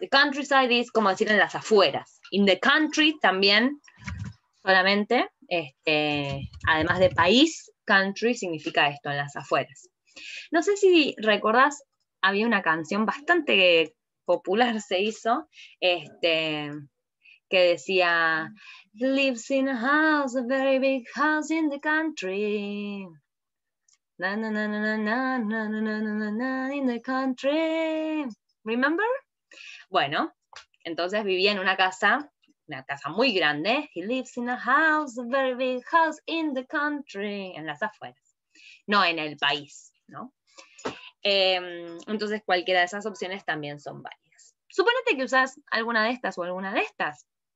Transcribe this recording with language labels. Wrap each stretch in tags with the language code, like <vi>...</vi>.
<en>The countryside is</en> <es>como decir en las afueras.</es> <en>In the country</en> <es>también, solamente, además de país, country significa esto, en las afueras. No sé si recordás, había una canción bastante popular, se hizo, que decía,</es> <en>lives in a house, a very big house in the country. Na na na na na na na na na na na na in the country. Remember?</en> <es>Bueno, entonces vivía en una casa muy grande.</es> <en>He lives in a house, a very big house in the country.</en> <es>En las afueras. No en el país, ¿no? Entonces cualquiera de esas opciones también son válidas. Suponete que usas alguna de estas o alguna de estas.</es>